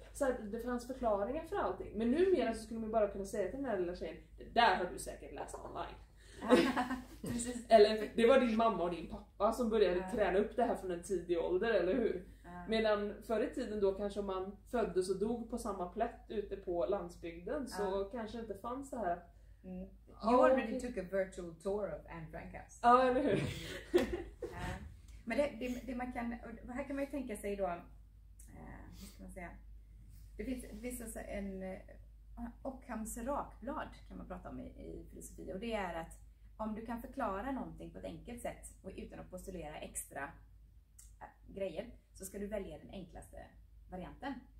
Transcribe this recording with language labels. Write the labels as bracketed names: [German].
[Swedish] Så här, det fanns förklaringar för allting. Men numera så skulle man bara kunna säga till den här lilla tjejen, det där har du säkert läst online. Eller det var din mamma och din pappa som började träna upp det här från en tidig ålder, eller hur? Medan förr i tiden då kanske man föddes och dog på samma plätt ute på landsbygden, så kanske inte fanns det här. [English] You already took a virtual tour of Anne Frank House. [Swedish] Ja, eller hur? Men det man kan, här kan man ju tänka sig då, hur ska man säga, det finns alltså en Ockhams rakblad kan man prata om i filosofi, och det är att om du kan förklara någonting på ett enkelt sätt och utan att postulera extra grejer, så ska du välja den enklaste varianten.